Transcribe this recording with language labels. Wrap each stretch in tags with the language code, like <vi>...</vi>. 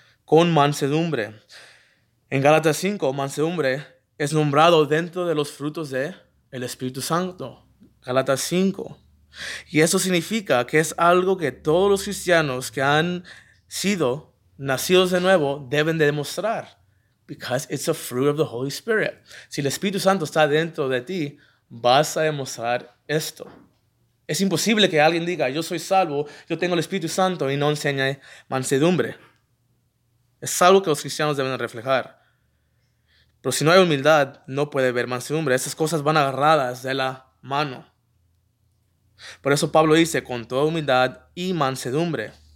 <es>con mansedumbre. En Gálatas 5, mansedumbre es nombrado dentro de los frutos del Espíritu Santo. Gálatas 5. Y eso significa que es algo que todos los cristianos que han sido nacidos de nuevo deben de demostrar.</es> <en>Because it's a fruit of the Holy Spirit.</en> <es>Si el Espíritu Santo está dentro de ti, vas a demostrar esto. Es imposible que alguien diga, yo soy salvo, yo tengo el Espíritu Santo y no enseñe mansedumbre. Es algo que los cristianos deben reflejar. Pero si no hay humildad, no puede haber mansedumbre. Esas cosas van agarradas de la mano. Por eso Pablo dice, con toda humildad y mansedumbre.</es>